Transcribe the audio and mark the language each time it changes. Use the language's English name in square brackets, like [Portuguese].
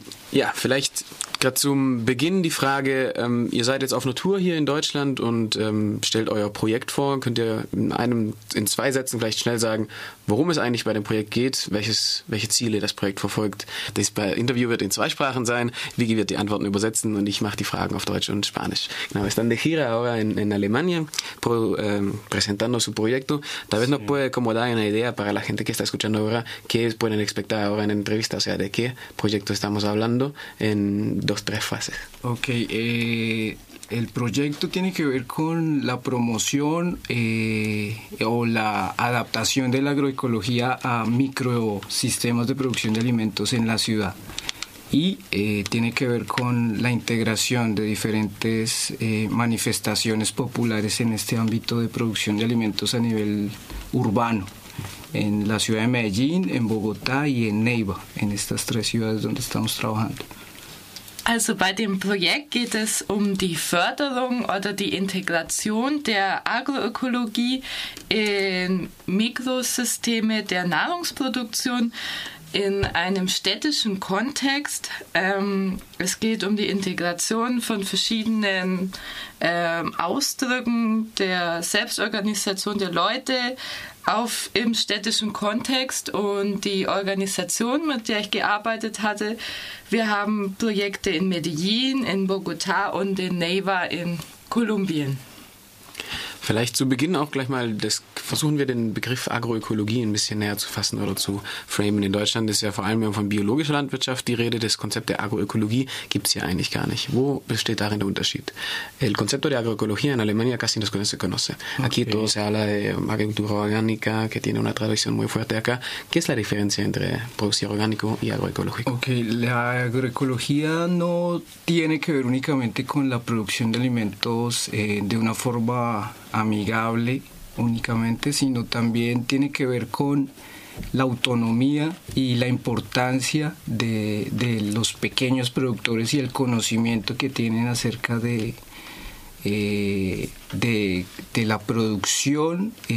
[German] Ja, vielleicht gerade zum Beginn die Frage, ihr seid jetzt auf einer Tour hier in Deutschland und stellt euer Projekt vor. Könnt ihr in zwei Sätzen vielleicht schnell sagen, worum es eigentlich bei dem Projekt geht, welche Ziele das Projekt verfolgt? Das Interview wird in zwei Sprachen sein. Vicky wird die Antworten übersetzen und ich mache die Fragen auf Deutsch und Spanisch. [Spanish] Genau, están de gira ahora en Alemania presentando su proyecto. Tal vez nos puede como dar una idea para la gente que está escuchando ahora, qué pueden expectar ahora en entrevista, o sea, de qué proyecto estamos hablando en dos, tres fases. Ok, el proyecto tiene que ver con la promoción o la adaptación de la agroecología a microsistemas de producción de alimentos en la ciudad. Y tiene que ver con la integración de diferentes manifestaciones populares en este ámbito de producción de alimentos a nivel urbano. En la ciudad de Medellín, en Bogotá y en Neiva, en estas tres ciudades donde estamos trabajando. [German] Also bei dem Projekt geht es um die Förderung oder die Integration der Agroökologie in Mikrosysteme der Nahrungsproduktion in einem städtischen Kontext. Es geht um die Integration von verschiedenen Ausdrücken der Selbstorganisation der Leute auf im städtischen Kontext und die Organisation, mit der ich gearbeitet hatte. Wir haben Projekte in Medellin, in Bogotá und in Neiva in Kolumbien. Vielleicht zu Beginn auch gleich mal, versuchen wir den Begriff Agroökologie ein bisschen näher zu fassen oder zu framen. In Deutschland ist ja vor allem von biologischer Landwirtschaft die Rede. Das Konzept der Agroökologie gibt es ja eigentlich gar nicht. Wo besteht darin der Unterschied? [Spanish] El concepto de agroecología en Alemania casi no se conoce. Okay. Aquí todo se habla de agricultura orgánica, que tiene una tradición muy fuerte acá. ¿Qué es la diferencia entre producción orgánico y agroecológico? Okay, la agroecología no tiene que ver únicamente con la producción de alimentos de una forma amigable únicamente, sino también tiene que ver con la autonomía y la importancia de los pequeños productores y el conocimiento que tienen acerca de la producción,